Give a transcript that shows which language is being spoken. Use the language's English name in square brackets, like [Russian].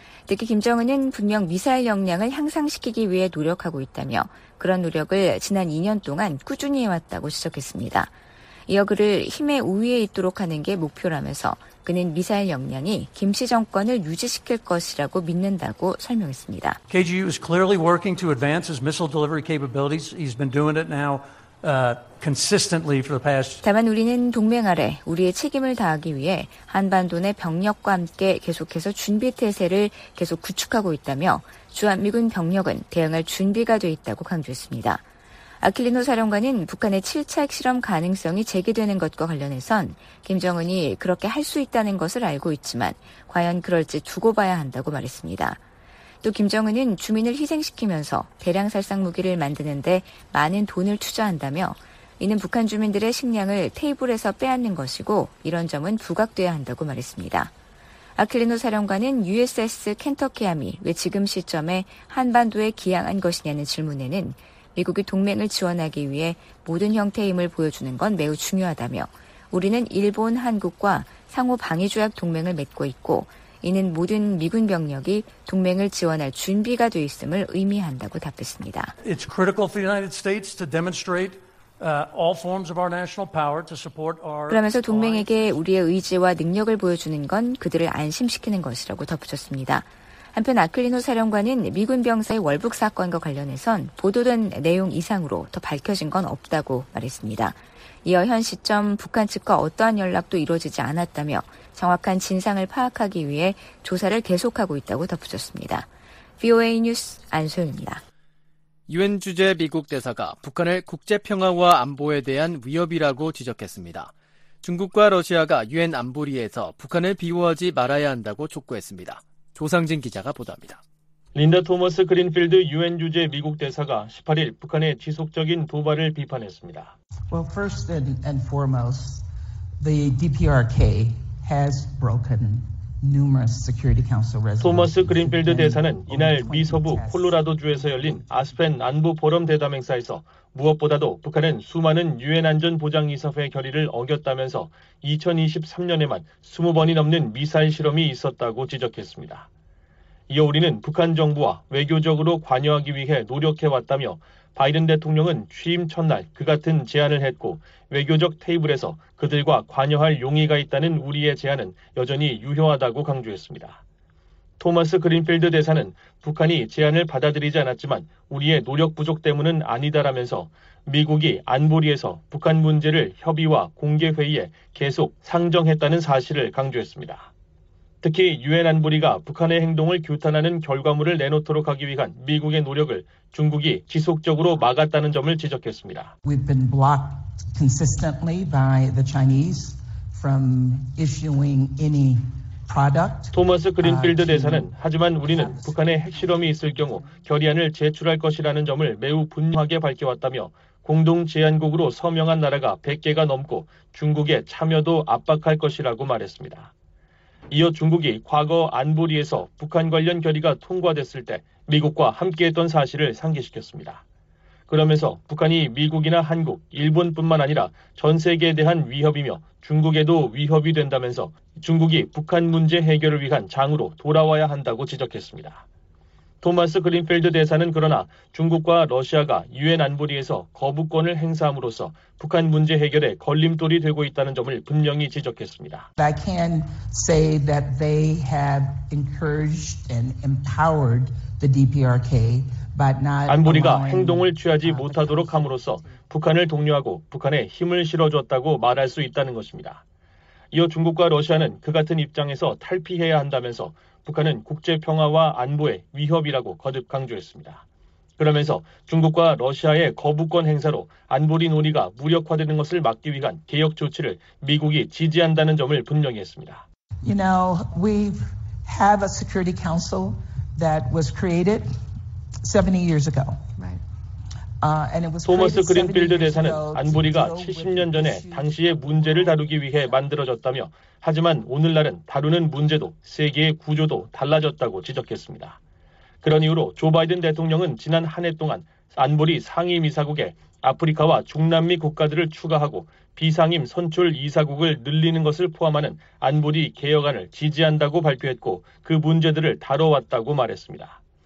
[Korean] 특히 김정은은 분명 미사일 역량을 향상시키기 위해 노력하고 있다며 그런 노력을 지난 2년 동안 꾸준히 해왔다고 지적했습니다. 이어 그를 힘의 우위에 있도록 하는 게 목표라면서 그는 미사일 역량이 김 씨 정권을 유지시킬 것이라고 믿는다고 설명했습니다. [English] KGU is clearly working to advance his missile delivery capabilities. He's been doing it now consistently for the past. [Korean] 다만 우리는 동맹 아래 우리의 책임을 다하기 위해 한반도 내 병력과 함께 계속해서 준비 태세를 계속 구축하고 있다며 주한미군 병력은 대응할 준비가 돼 있다고 강조했습니다. 아퀼리노 사령관은 북한의 7차 핵실험 가능성이 제기되는 것과 관련해선 김정은이 그렇게 할 수 있다는 것을 알고 있지만 과연 그럴지 두고 봐야 한다고 말했습니다. 또 김정은은 주민을 희생시키면서 대량 살상 무기를 만드는 데 많은 돈을 투자한다며 이는 북한 주민들의 식량을 테이블에서 빼앗는 것이고 이런 점은 부각돼야 한다고 말했습니다. 아퀼리노 사령관은 USS 켄터키함이 왜 지금 시점에 한반도에 기항한 것이냐는 질문에는 미국이 동맹을 지원하기 위해 모든 형태의 힘을 보여주는 건 매우 중요하다며 우리는 일본, 한국과 상호 방위조약 동맹을 맺고 있고 이는 모든 미군 병력이 동맹을 지원할 준비가 돼 있음을 의미한다고 답했습니다. [English] It's critical for the United States to demonstrate all forms of our national power to support our [Korean] 그러면서 동맹에게 우리의 의지와 능력을 보여주는 건 그들을 안심시키는 것이라고 덧붙였습니다. 한편 아퀼리노 사령관은 미군 병사의 월북 사건과 관련해선 보도된 내용 이상으로 더 밝혀진 건 없다고 말했습니다. 이어 현 시점 북한 측과 어떠한 연락도 이루어지지 않았다며 정확한 진상을 파악하기 위해 조사를 계속하고 있다고 덧붙였습니다. VOA 뉴스 안소윤입니다. 유엔 주재 미국 대사가 북한을 국제 평화와 안보에 대한 위협이라고 지적했습니다. 중국과 러시아가 유엔 안보리에서 북한을 비호하지 말아야 한다고 촉구했습니다. 조상진 기자가 보도합니다. 린다 토머스 그린필드 유엔 주재 미국 대사가 18일 북한의 지속적인 도발을 비판했습니다. [English] Well, first and foremost, the DPRK has broken numerous Security Council resolutions. [Korean] 토머스 그린필드 대사는 이날 미 서부 콜로라도주에서 열린 아스펜 안보 포럼 대담 행사에서 무엇보다도 북한은 수많은 유엔 안전보장이사회 결의를 어겼다면서 2023년에만 20번이 넘는 미사일 실험이 있었다고 지적했습니다. 이어 우리는 북한 정부와 외교적으로 관여하기 위해 노력해왔다며 바이든 대통령은 취임 첫날 그 같은 제안을 했고 외교적 테이블에서 그들과 관여할 용의가 있다는 우리의 제안은 여전히 유효하다고 강조했습니다. 토마스 그린필드 대사는 북한이 제안을 받아들이지 않았지만 우리의 노력 부족 때문은 아니다라면서 미국이 안보리에서 북한 문제를 협의와 공개 회의에 계속 상정했다는 사실을 강조했습니다. 특히 유엔 안보리가 북한의 행동을 규탄하는 결과물을 내놓도록 하기 위한 미국의 노력을 중국이 지속적으로 막았다는 점을 지적했습니다. [English] We've been blocked consistently by the Chinese from issuing any [Korean] 토마스 그린필드 대사는 하지만 우리는 북한의 핵실험이 있을 경우 결의안을 제출할 것이라는 점을 매우 분명하게 밝혀왔다며 공동 제안국으로 서명한 나라가 100개가 넘고 중국의 참여도 압박할 것이라고 말했습니다. 이어 중국이 과거 안보리에서 북한 관련 결의가 통과됐을 때 미국과 함께했던 사실을 상기시켰습니다. 그러면서 북한이 미국이나 한국, 일본뿐만 아니라 전 세계에 대한 위협이며 중국에도 위협이 된다면서 중국이 북한 문제 해결을 위한 장으로 돌아와야 한다고 지적했습니다. 토마스 그린필드 대사는 그러나 중국과 러시아가 유엔 안보리에서 거부권을 행사함으로써 북한 문제 해결에 걸림돌이 되고 있다는 점을 분명히 지적했습니다. [English] I can say that they have encouraged and empowered the DPRK. [Korean] 안보리가 행동을 취하지 못하도록 함으로써 북한을 독려하고 북한에 힘을 실어줬다고 말할 수 있다는 것입니다. 이어 중국과 러시아는 그 같은 입장에서 탈피해야 한다면서 북한은 국제평화와 안보의 위협이라고 거듭 강조했습니다. 그러면서 중국과 러시아의 거부권 행사로 안보리 논의가 무력화되는 것을 막기 위한 개혁 조치를 미국이 지지한다는 점을 분명히 했습니다. [English] You know, we have a Security Council that was created 70 years ago. Right. [Korean] 토머스 그린필드 대사는 안보리가 70년 전에 당시의 문제를 다루기 위해 만들어졌다며 하지만 오늘날은 다루는 문제도 세계의 구조도 달라졌다고 지적했습니다. 그런 이후로 조 바이든 대통령은 지난 한 해 동안 안보리 상임이사국에 아프리카와 중남미 국가들을 추가하고 비상임 선출 이사국을 늘리는 것을 포함하는 안보리 개혁안을 지지한다고 발표했고 그 문제들을 다뤄왔다고 말했습니다.